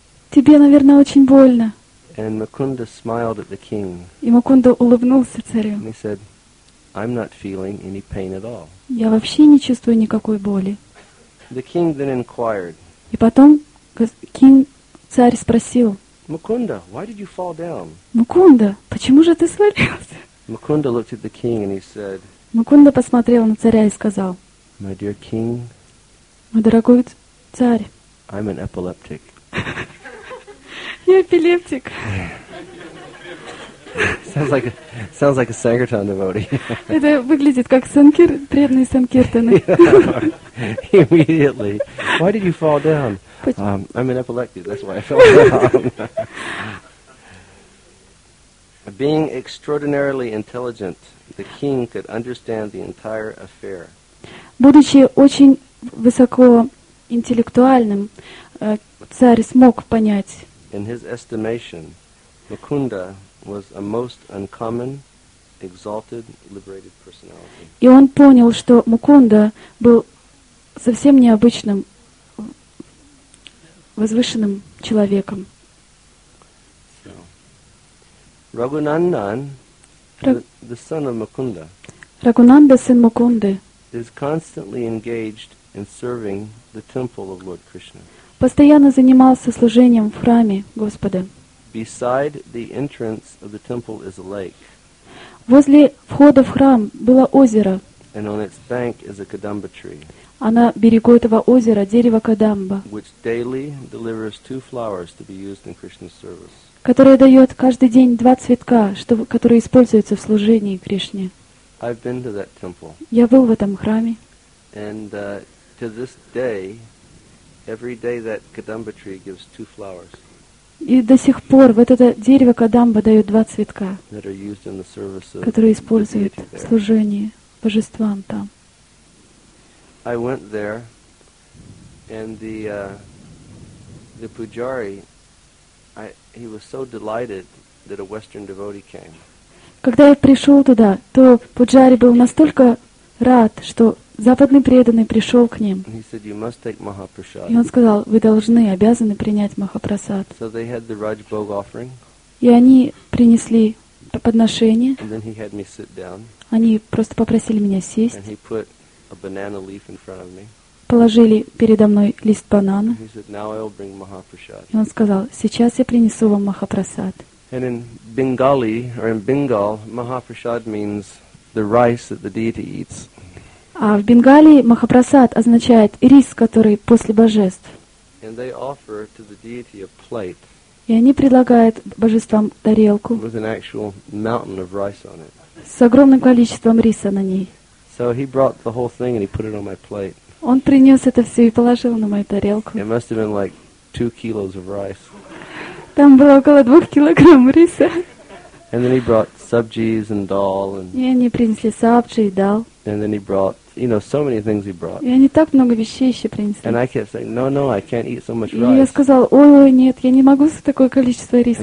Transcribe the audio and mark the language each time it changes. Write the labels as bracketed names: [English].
[Russian] Тебе, наверное, очень больно. [English] And Mukunda smiled at the king. [Russian] И Мукунда улыбнулся царю. [English] And he said, I'm not feeling any pain at all. [Russian] Я вообще не чувствую никакой боли. [English] The king then inquired. [Russian] И потом царь спросил. [English] Mukunda, why did you fall down? [Russian] Mukunda, почему же ты свалился? [English] Mukunda looked at the king and he said. [Russian] Mukunda посмотрел на царя и сказал. [English] My dear king. [Russian] Мой дорогой царь. [English] I'm an epileptic. [Russian] Я эпилептик. [English] Sounds like a Sankirtan devotee. [Russian] Это выглядит как санкир, преданный санкиртаны. [English] Immediately. Why did you fall down? I'm an epileptic, that's why I fell down. Being extraordinarily intelligent, the king could understand the entire affair. [Russian] Будучи очень высоко интеллектуальным, царь смог понять. [English] In his estimation, Mukunda was a most uncommon, exalted, liberated personality. [Russian] И он понял, что Мукунда был совсем необычным, возвышенным человеком. [English] Raghunandan, the son of Mukunda, [Russian] Raghunanda, сын Мукунды, [English] is constantly engaged in serving the temple of Lord Krishna. [Russian] Постоянно занимался служением в храме Господа. [English] Beside the entrance of the temple is a lake. [Russian] Возле входа в храм было озеро. [English] And on its bank is a kadamba tree. [Russian] А на берегу этого озера дерево кадамба. [English] Which daily delivers two flowers to be used in Krishna's service. [Russian] Которое дает каждый день два цветка, которые используются в служении Кришне. [English] I've been to that temple. [Russian] Я был в этом храме. [English] And to this day, every day that kadamba tree gives two flowers. [Russian] И до сих пор вот это дерево кадамба дает два цветка, [English] that are used in the service of, [Russian] которые используют в служении божествам там. [English] I went there, and the pujari, he was so delighted that a Western devotee came. [Russian] Когда я пришел туда, то пуджари был настолько рад, что западный преданный пришел к ним. [English] He said, you must take Mahaprasad. [Russian] И он сказал, вы должны, обязаны принять Махапрасад. [English] So they had the Rajbhog offering. [Russian] И они принесли подношение. [English] And then he had me sit down. [Russian] Они просто попросили меня сесть. [English] And he put a banana leaf in front of me. [Russian] Положили передо мной лист банана. [English] He said, now I'll bring Mahaprasad. [Russian] И он сказал, сейчас я принесу вам Махапрасад. [English] And in Bengali, or in Bengal, Mahaprasad means the rice that the deity eats. [Russian] А в Бенгалии Махапрасад означает рис, который после божеств. [English] And they offer to the deity a plate. [Russian] И они предлагают божествам тарелку. [English] With an actual mountain of rice on it. [Russian] С огромным количеством риса на ней. [English] So he brought the whole thing and he put it on my plate. [Russian] Он принес это все и положил на мою тарелку. [English] It must have been like 2 kilos of rice. [Russian] Там было около 2 килограмм риса. [English] And then he brought sabjis and dal. And [Russian] они принесли сабджи и дал. [English] And then he brought, you know, so many things he brought. [Russian] И они так много вещей еще принесли. [English] And I kept saying, no, no, I can't eat so much [Russian] и [English] rice. [Russian] И я сказал, ой, нет, я не могу такое количество риса